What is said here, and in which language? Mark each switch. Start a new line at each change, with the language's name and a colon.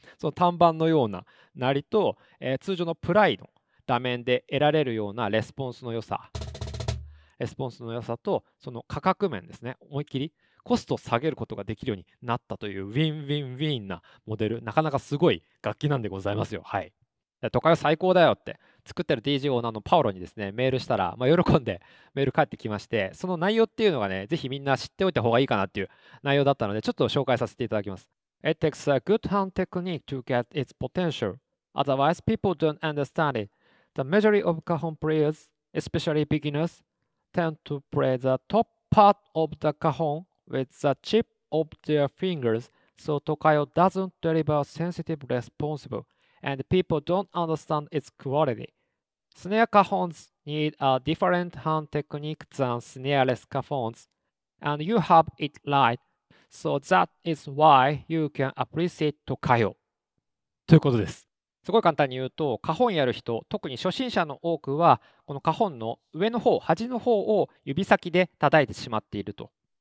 Japanese: その単板のような鳴りと、通常のプライの画面で得られるようなレスポンスの良さと、その価格面ですね、思いっきりコストを下げることができるようになったという、ウィンウィンウィンなモデル、なかなかすごい楽器なんでございますよ。はい。都会は最高だよって、作ってる DJ オーナーのパオロにですね、メールしたら、まあ、喜んでメール返ってきまして、その内容っていうのがね、ぜひみんな知っておいた方がいいかなっていう内容だったので、ちょっと紹介させていただきます。
English: It takes a good hand technique to get its potential. Otherwise, people don't understand it. The majority of cajon players, especially beginners, tend to play the top part of the cajon with the tip of their fingers, so tocayo doesn't deliver sensitive response, and people don't understand its quality. Snare cajons need a different hand technique than snareless cajons, and you have it right, so that is why you can appreciate tocayo.
Japanese: ということです。すごい簡単に言うと、カホンやる人、特に初心者の多くは、このカホンの上の方、端の方を指先で叩いてしまっていると。